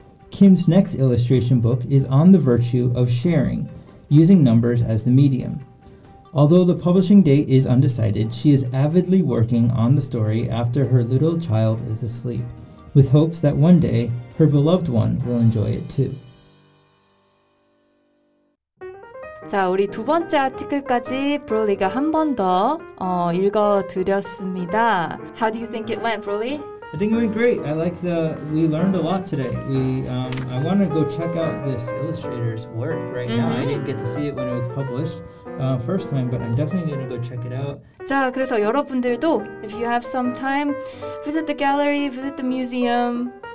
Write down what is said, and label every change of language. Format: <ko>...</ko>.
<en>Kim's next illustration book is on the virtue of sharing, using numbers as the medium. Although the publishing date is undecided, she is avidly working on the story after her little child is asleep, with hopes that one day her beloved one will enjoy it too.</en> <ko>자, 우리 두 번째 아티클까지 브롤리가 한 번 더 읽어드렸습니다.</ko> <en>How do you think it went, Broly? I think it went great. I like the, we learned a lot today. I want to go check out this illustrator's work right mm-hmm. now. I didn't get to see it when it was published first time, but I'm definitely going to go check it out.</en> <ko>자, 그래서 여러분들도,</ko> <en>if you have some time, visit the gallery, visit the museum.</en>